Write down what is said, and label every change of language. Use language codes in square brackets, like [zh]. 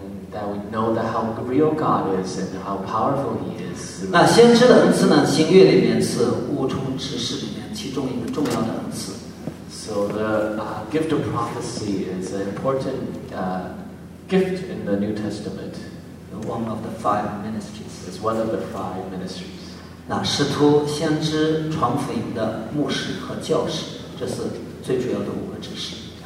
[en] That we know that how real God is and how powerful He is. [zh] 那先知的恩赐呢？新约里面是五重执事里面其中一个重要的恩赐。 [en] So the gift of prophecy is an important gift in the New Testament. One of the five ministries. It's one of the five ministries. [zh] 那使徒、先知、传福音的牧师和教师，这是最主要的五个执事。